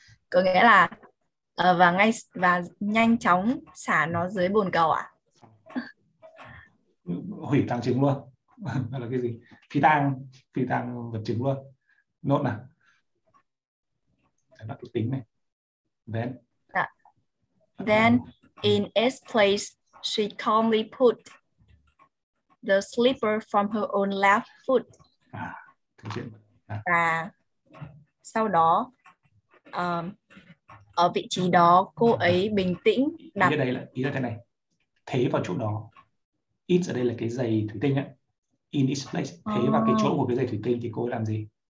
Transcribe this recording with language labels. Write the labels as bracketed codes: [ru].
[vi] Có nghĩa là và nhanh chóng xả nó dưới bồn cầu ạ? Hủy tang chứng luôn. Nó là cái gì? Phi tang vật chứng luôn. Nốt nào. Để bắt cái tính này. [en] Then. [vi] Đã. [en] Then in its place she calmly put the slipper from her own left foot. [vi] Và sau đó ở vị trí đó cô ấy bình tĩnh đặt ý là thế này, thế vào chỗ đó. It ở đây là cái giày thủy tinh ấy. [en] In its place, [vi] thế vào cái chỗ của cái giày thủy tinh thì cô ấy làm gì?